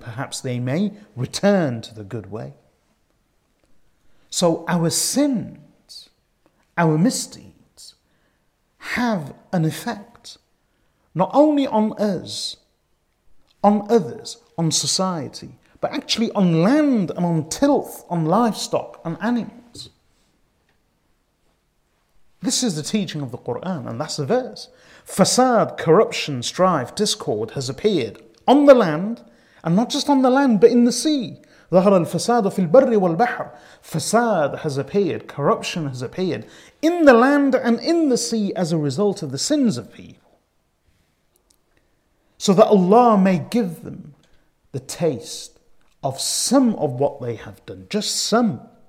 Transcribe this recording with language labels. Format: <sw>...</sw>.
<en>Perhaps they may return to the good way. So our sins, our misdeeds, have an effect not only on us, on others, on society, but actually on land and on tilth, on livestock and animals. This is the teaching of the Quran, and that's the verse. Fasad, corruption, strife, discord has appeared on the land, and not just on the land, but in the sea.</en> <ar>ظهر الفساد في البر والبحر.</ar> <en>Fasad has appeared, corruption has appeared in the land and in the sea as a result of the sins of people. So that Allah may give them the taste of some of what they have done, just some.</en>